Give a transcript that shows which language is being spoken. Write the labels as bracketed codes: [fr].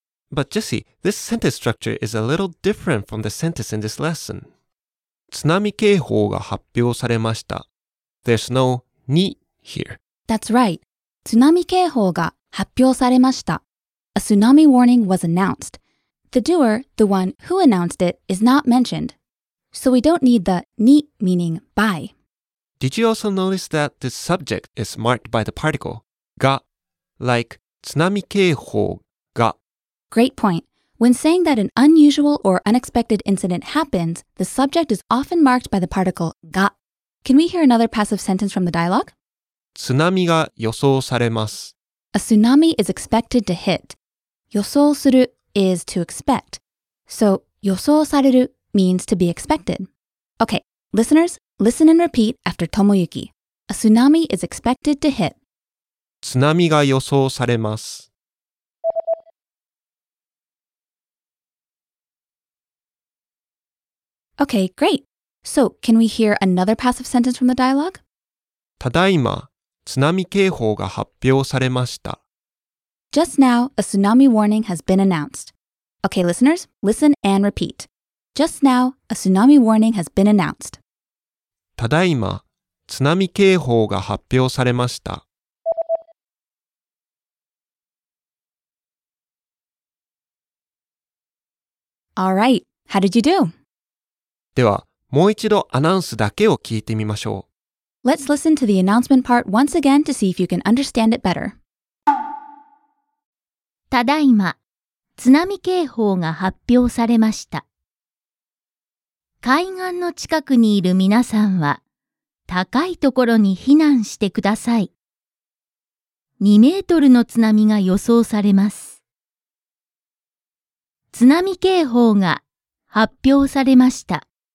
[en] But Jesse, this sentence structure is a little different from the sentence in this lesson. [ja] 津波警報が発表されました。 [en] There's no ni here. That's right. [ja] 津波警報が発表されました。 [en] A tsunami warning was announced. The doer, the one who announced it, is not mentioned. So we don't need the ni meaning by. Did you also notice that the subject is marked by the particle ga, like 津波警報が? Great point. When saying that an unusual or unexpected incident happens, the subject is often marked by the particle が. Can we hear another passive sentence from the dialogue? [ja] 津波が予想されます. [en] A tsunami is expected to hit. 予想する is to expect. So 予想される means to be expected. Okay, listeners, listen and repeat after Tomoyuki. A tsunami is expected to hit. [ja] 津波が予想されます. [en] Okay, great. So, can we hear another passive sentence from the dialogue? [ja] ただいま, 津波警報が発表されました。 [en] Just now, a tsunami warning has been announced. Okay, listeners, listen and repeat. Just now, a tsunami warning has been announced. [ja] ただいま, 津波警報が発表されました。 [en] All right, how did you do? [ja] では、もう一度アナウンスだけを聞いてみましょう。 [en] Let's listen to the announcement part once again to see if you can understand it better. [ja] ただいま、津波警報が発表されました。海岸の近くにいる皆さんは、高いところに避難してください。2メートルの津波が予想されます。津波警報が発表されました。